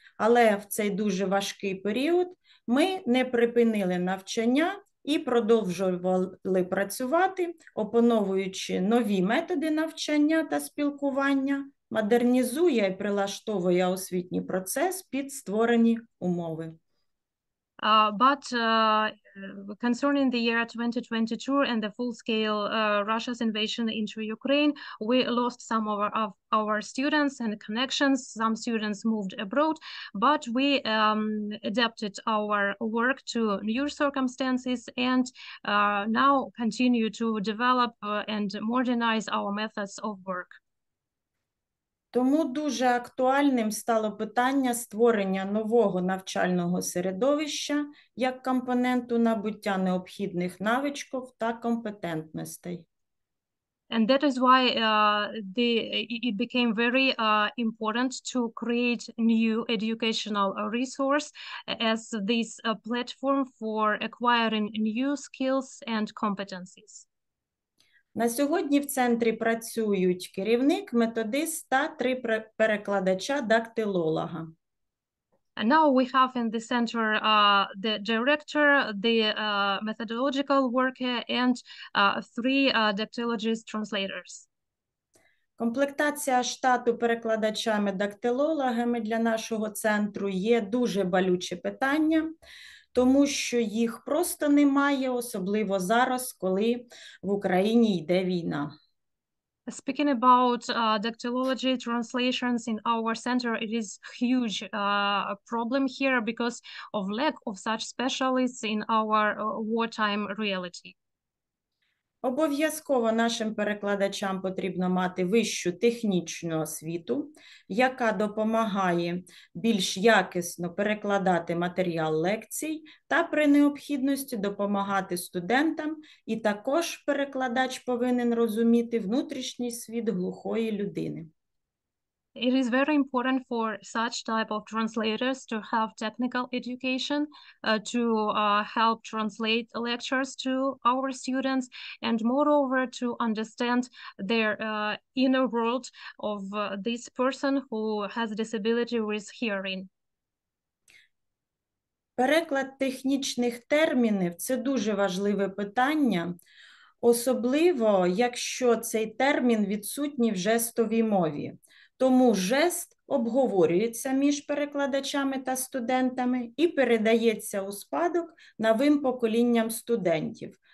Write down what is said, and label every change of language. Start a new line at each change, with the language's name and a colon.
Ukrainian: Але в цей дуже важкий період ми не припинили навчання і продовжували працювати, опановуючи нові методи навчання та спілкування, модернізуючи і прилаштовуючи освітній процес під створені умови.
English: But concerning the year 2022 and the full-scale Russia's invasion into Ukraine, we lost some of our students and connections. Some students moved abroad, but we adapted our work to new circumstances and now continue to develop and modernize our methods of work.
Ukrainian: Тому дуже актуальним стало питання створення нового навчального середовища як компоненту набуття необхідних навичок та компетентностей.
English: And that is why it became very important to create new educational resource as this platform for acquiring new skills and competencies.
Ukrainian: На сьогодні в центрі працюють керівник, методист та три перекладача-дактилолога.
English: And now we have in the center the director, the methodological worker and three dactylologist translators.
Ukrainian: Комплектація штату перекладачами-дактилологами для нашого центру є дуже болюче питання. Тому що їх просто немає, особливо зараз, коли в Україні йде війна.
English: Speaking about dactylology translations in our center, it is huge problem here because of lack of such specialists in our wartime reality.
Ukrainian: Обов'язково нашим перекладачам потрібно мати вищу технічну освіту, яка допомагає більш якісно перекладати матеріал лекцій та при необхідності допомагати студентам, і також перекладач повинен розуміти внутрішній світ глухої людини.
English: It is very important for such type of translators to have technical education to help translate lectures to our students and moreover to understand their inner world of this person who has disability with hearing.
Ukrainian: Переклад технічних термінів – це дуже важливе питання, особливо якщо цей термін відсутній в жестовій мові. Тому жест обговорюється між перекладачами та студентами і передається у спадок новим поколінням студентів.